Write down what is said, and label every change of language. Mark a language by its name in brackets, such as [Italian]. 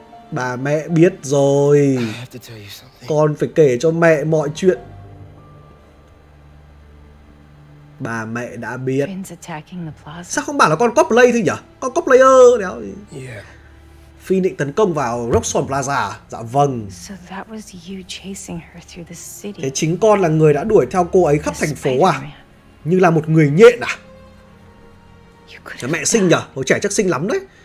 [Vietnamese] Bà mẹ biết rồi. Con phải kể cho mẹ mọi chuyện. Bà mẹ đã biết. Sao không bảo là con cosplay thôi nhỉ? Con cosplayer đéo gì. Yeah. Phi định tấn công vào Roxxon Plaza. Dạ vâng. [English] So that was you chasing her through the city. [Vietnamese] Thế chính con là người đã đuổi theo cô ấy khắp thành phố à? Như là một người nhện à? Mẹ sinh nhỉ? Hồi trẻ chắc sinh lắm đấy.